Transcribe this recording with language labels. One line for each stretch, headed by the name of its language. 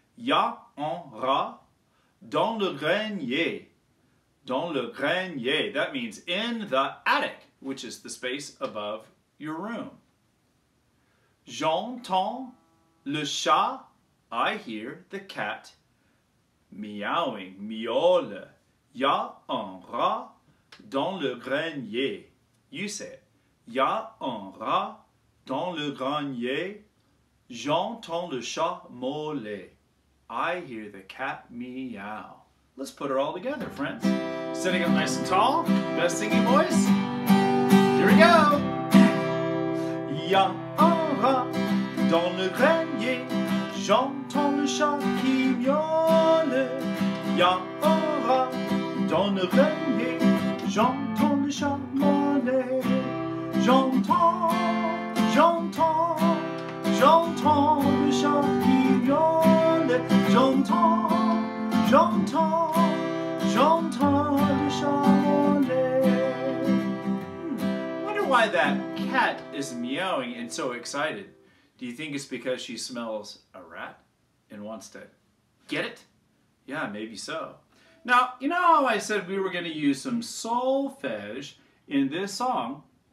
French: Ya en ra. Dans le grenier. Dans le grenier.
English: That means in the attic, which is the space above your room.
French: J'entends le chat.
English: I hear the cat meowing, miaule.
French: Ya un rat dans le grenier.
English: You say it.
French: Ya un rat dans le grenier. J'entends le chat miauler.
English: I hear the cat meow. Let's put it all together, friends. Sitting up nice and tall, best singing voice. Here we go.
French: Ya un rat dans le grenier. J'entends le chat qui miaule. Ya un rat dans le grenier, J'entends le chat mourner. J'entends, j'entends, j'entends le chat qui miaule. J'entends, j'entends, j'entends le chat mourner.
English: Wonder why that cat is meowing and so excited. Do you think it's because she smells a rat and wants to get it? Yeah, maybe so. Now, you know how I said we were going to use some solfege in this song?